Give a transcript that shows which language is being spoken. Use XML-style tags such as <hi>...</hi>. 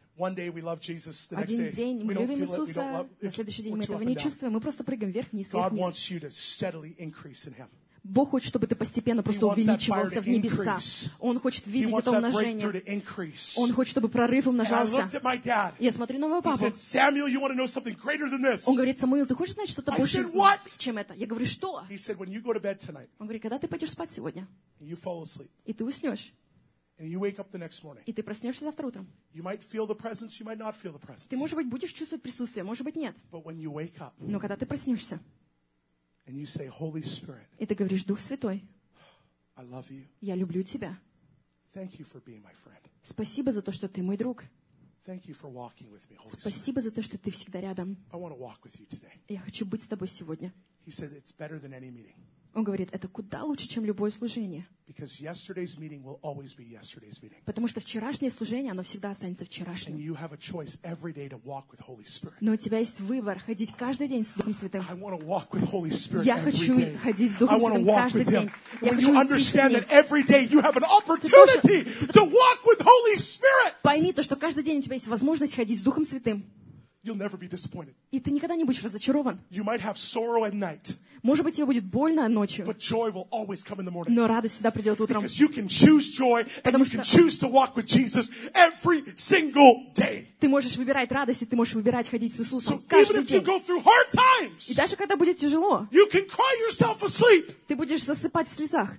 <en>One day we love Jesus. The</en> <ru>Один</ru> <en>next day,</en> <ru>день мы любим Иисуса, на следующий день мы этого не чувствуем, мы просто прыгаем вверх-вниз, вверх-вниз. Бог хочет, чтобы ты постепенно просто увеличивался в небеса. Он хочет видеть это умножение. Он хочет, чтобы прорыв умножался. Я смотрю на моего папу.</ru> <en>Said, you want to know something greater than this.</en> <ru>Он говорит, Самуил, ты хочешь знать что-то больше,</ru> <en>said,</en> <ru>чем это? Я говорю, что?</ru> <en>He said, when you go to bed tonight,</en> <ru>он говорит, когда ты пойдешь спать сегодня,</ru> <en>you fall asleep.</en> <ru>И ты уснешь.</ru> <en>And you wake up the next morning.</en> <ru>И ты проснешься завтра утром.</ru> <en>You might feel the presence, you might not feel the presence.</en> <ru>Ты, может быть, будешь чувствовать присутствие, может быть, нет.</ru> <en>But when you wake up.</en> <ru>Но когда ты проснешься.</ru> <en>And you say, Holy Spirit.</en> <ru>И ты говоришь, Дух Святой.</ru> <en>I love you.</en> <ru>Я люблю тебя.</ru> <en>Thank you for being my friend.</en> <ru>Спасибо за то, что ты мой друг.</ru> <en>Thank you for walking with me, Holy Spirit.</en> <ru>Спасибо за то, что ты всегда рядом.</ru> <en>I want to walk with you today.</en> <ru>Я хочу быть с тобой сегодня.</ru> <en>He said, it's better than any meeting.</en> <ru>Он говорит, это куда лучше, чем любое служение.</ru> <en>Because yesterday's meeting will always be yesterday's meeting.</en> <ru>Потому что вчерашнее служение, оно всегда останется вчерашним.</ru> <en>And you have a choice every day to walk with Holy Spirit.</en> <ru>Но у тебя есть выбор ходить каждый день с Духом Святым.</ru> <en>I want to walk with Holy Spirit.</en> <ru>Я хочу ходить с Духом Святым каждый день.</ru> <en>You understand that every day you have an opportunity to walk with Holy Spirit.</en> <ru>Пойми то, что каждый день у тебя есть возможность ходить с Духом Святым.</ru> <en>You'll never be disappointed.</en> <ru>И ты никогда не будешь разочарован.</ru> <en>You might have sorrow at night.</en> <ru>Может быть, тебе будет больно ночью.</ru> <en>But joy will always come in the morning.</en> <ru>Но радость всегда придет утром.</ru> <en>Because you can choose joy and you can choose to walk with Jesus every single day.</en> <ru>Ты можешь выбирать радость, и ты можешь выбирать ходить с Иисусом каждый день.</ru> <en>Even if you go through hard times.</en> <ru>И даже когда будет тяжело.</ru> <en>You can cry yourself asleep.</en> <ru>Ты будешь засыпать в слезах.</ru>